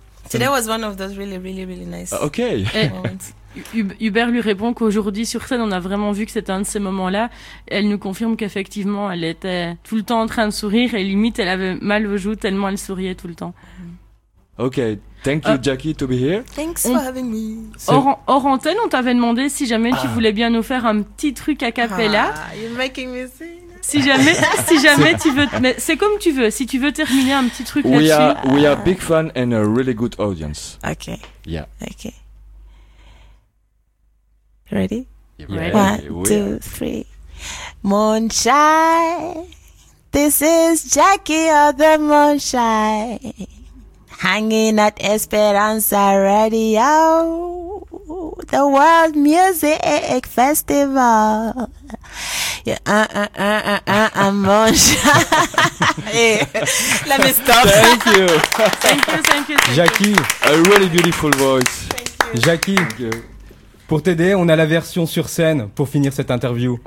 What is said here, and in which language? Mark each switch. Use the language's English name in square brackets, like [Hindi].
[English] Today was one of those really, really, really nice moments. [French] Hubert lui répond qu'aujourd'hui sur scène on a vraiment vu que c'était un de ces moments-là. Elle nous confirme qu'effectivement elle était tout le temps en train de sourire et limite elle avait mal aux joues tellement elle souriait tout le temps. [English] Ok, thank you Jackie to be here. Thanks for having me. [French] Hors antenne, on t'avait demandé si jamais tu voulais bien nous faire un petit truc a cappella. [English] You're making me sing. [French] Si jamais tu veux, mais c'est comme tu veux. Si tu veux terminer un petit truc là-dessus. [English] We are big fan and a really good audience. Ok. Yeah. Ok. Ready? Yeah. One, two, three. Moonshine, this is Jackie of the Moonshine, hanging at Esperanza Radio, the World Music Festival. I'm Moonshine. Let me stop. Thank you. Jackie, a really beautiful voice. Thank you. Jackie. Thank you. [French] Pour t'aider, on a la version sur scène pour finir cette interview.